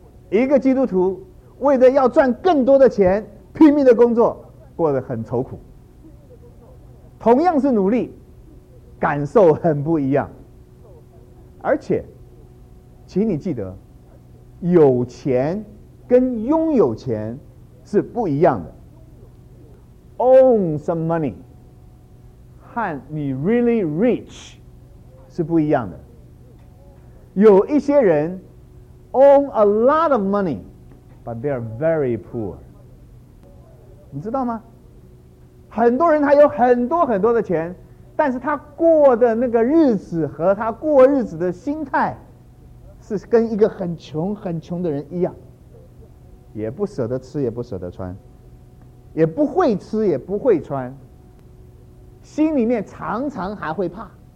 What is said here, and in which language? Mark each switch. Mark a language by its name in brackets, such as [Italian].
[Chinese] 一个基督徒为着要赚更多的钱，拼命的工作，过得很愁苦。同样是努力，感受很不一样。而且请你记得，有钱跟拥有钱是不一样的。 [English] Own some money [Chinese] 和你 [English] really rich [Chinese] 是不一样的。有一些人 [English] own a lot of money but they are very poor， [Chinese] 你知道吗？很多人他有很多很多的钱，但是他过的那个日子和他过日子的心态是跟一个很穷很穷的人一样，也不舍得吃，也不舍得穿，也不会吃，也不会穿，心里面常常还会怕。